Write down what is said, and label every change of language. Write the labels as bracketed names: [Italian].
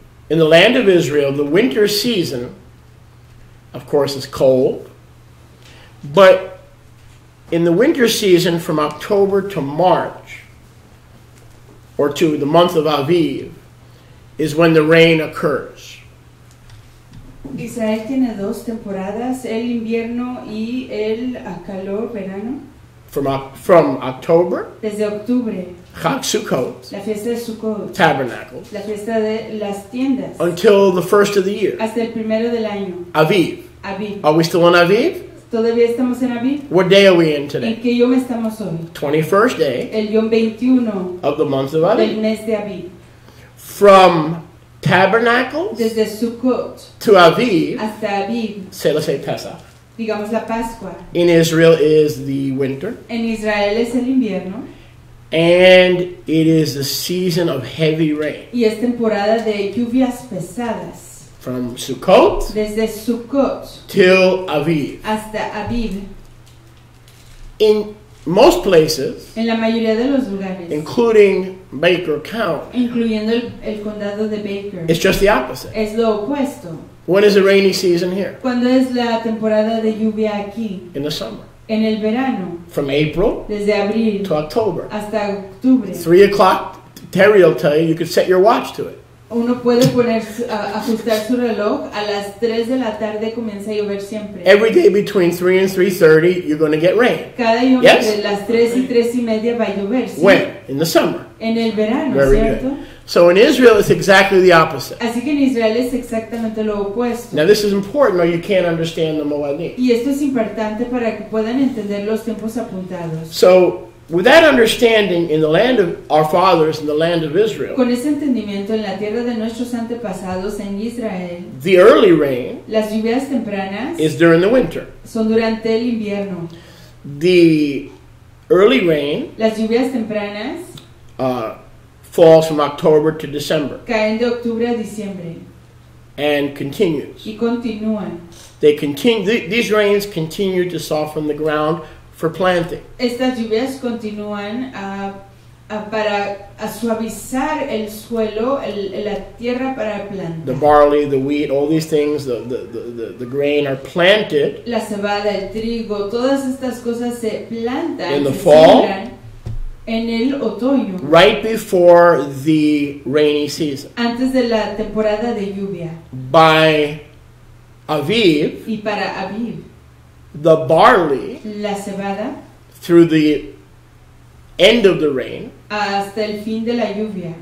[English] In the land of Israel, the winter season, of course, is cold, but in the winter season from October to March, or to the month of Aviv, is when the rain occurs. [Spanish] Israel tiene dos temporadas, el invierno y el calor verano. [English] From October, [Spanish] desde octubre, [Hebrew] Chag Sukkot, [Spanish] la fiesta de Sukkot, [English] tabernacles, [Spanish] la fiesta de las tiendas, [English] until the first of the year, [Spanish] hasta el primero del año, [English] Aviv. [Spanish] Aviv. [English] Are we still in Aviv? [Spanish] Todavía estamos en Aviv. [English] What day are we in today? [Spanish] ¿En qué yom estamos hoy? [English] 21st day, [Spanish] el yom 21, [English] of the month of Aviv, [Spanish] del mes de Aviv. [English] From tabernacles, [Spanish] desde Sukkot, [English] to Aviv, [Spanish] hasta Aviv, se le say Pesach. Digamos la Pascua. [English] In Israel is the winter. [Spanish] En Israel es el invierno. [English] And it is the season of heavy rain. [Spanish] Y es temporada de lluvias pesadas. [English] From Sukkot. [Spanish] Desde Sukkot. [English] Till Aviv. [Spanish] Hasta Aviv. [English] In most places. [Spanish] En la mayoría de los lugares. [English] Including Baker County. [Spanish] Incluyendo el condado de Baker. [English] It's just the opposite. [Spanish] Es lo opuesto. [English] When is the rainy season here? [Spanish] ¿Cuándo es la temporada de lluvia aquí? [English] In the summer. [Spanish] En el verano. [English] From April. [Spanish] Desde abril. [English] To October. [Spanish] Hasta octubre. [English] 3 o'clock, Terry will tell you, you could set your watch to it. [Spanish] Uno puede poner, ajustar su reloj, a las 3 de la tarde comienza a llover siempre. [English] Every day between 3 and 3:30, you're going to get rain. [Spanish] Cada día [English] yes? [Spanish] De las 3 y 3 y media va a llover, ¿sí? [English] When? In the summer. [Spanish] En el verano, [English] very [Spanish] ¿cierto? [English] Good. So in Israel, it's exactly the opposite. [Spanish] Así que en Israel es exactamente lo opuesto. [English] Now this is important or you can't understand the Moedim. [Spanish] Y esto es importante para que puedan entender los tiempos apuntados. [English] So with that understanding in the land of our fathers, in the land of Israel, [Spanish] con ese entendimiento en la tierra de nuestros antepasados en Israel, [English] the early rain, [Spanish] las lluvias tempranas, [English] is during the winter. [Spanish] Son durante el invierno. [English] The early rain, [Spanish] las lluvias tempranas, [English] falls from October to December. [Spanish] Caen de octubre a diciembre. [English] And continues. [Spanish] Y continúan. [English] They continue. These rains continue to soften the ground for planting. [Spanish] Estas lluvias continúan para a suavizar el suelo, la tierra para plantar. [English] The barley, the wheat, all these things, the grain are planted. [Spanish] La cebada, el trigo, todas estas cosas se plantan. [English] In the fall. [Spanish] En el otoño, [English] right before the rainy season. [Spanish] Antes de la temporada de lluvia. [English] By Aviv. [Spanish] Y para Aviv. [English] The barley. [Spanish] La cebada. [English] Through the end of the rain. [Spanish] Hasta el fin de la lluvia.